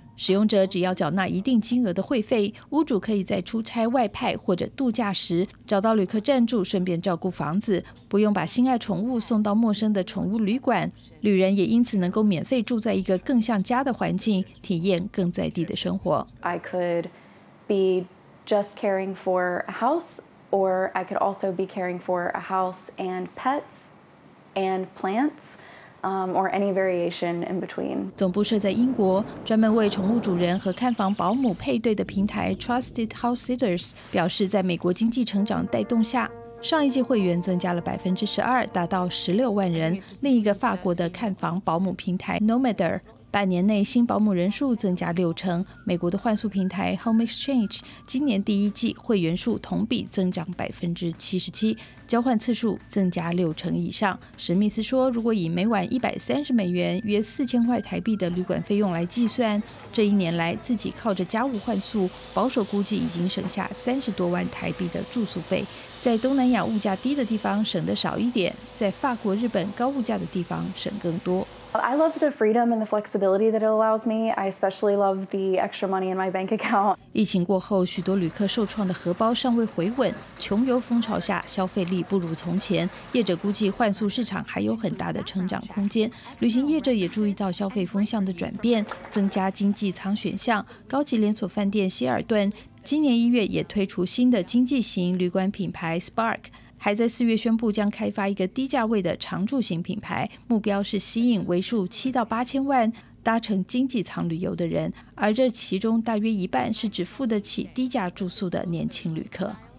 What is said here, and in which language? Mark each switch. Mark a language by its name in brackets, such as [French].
[Chinese] 使用者只要缴纳一定金额的会费，屋主可以在出差外派或者度假时找到旅客暂住，顺便照顾房子，不用把心爱宠物送到陌生的宠物旅馆。旅人也因此能够免费住在一个更像家的环境，体验更在地的生活。 [English] I could be just caring for a house, or I could also be caring for a house and pets and plants. Or any variation in between. [Chinese] 总部设在英国，专门为宠物主人和看房保姆配对的平台 Trusted House Sitters 表示，在美国经济成长带动下，上一季会员增加了12%，达到160,000人。另一个法国的看房保姆平台 Nomader 半年内新保姆人数增加60%。美国的换宿平台 Home Exchange 今年第一季会员数同比增长77%。交换次数增加60%以上。史密斯说，如果以每晚130美元约4000块台币的旅馆费用来计算，这一年来自己靠着家务换宿，保守估计已经省下30多万台币的住宿费。在东南亚物价低的地方省得少一点，在法国、日本高物价的地方省更多。 [English] I love the freedom and the flexibility that it allows me. I especially love the extra money in my bank account. [Chinese] 疫情过后，许多旅客受创的荷包尚未回稳，穷游风潮下消费力不如从前，业者估计换宿市场还有很大的成长空间。旅行业者也注意到消费风向的转变，增加经济舱选项。高级连锁饭店希尔顿今年一月也推出新的经济型旅馆品牌 Spark， 还在4月宣布将开发一个低价位的常住型品牌，目标是吸引为数7-8千万搭乘经济舱旅游的人，而这其中大约一半是只付得起低价住宿的年轻旅客。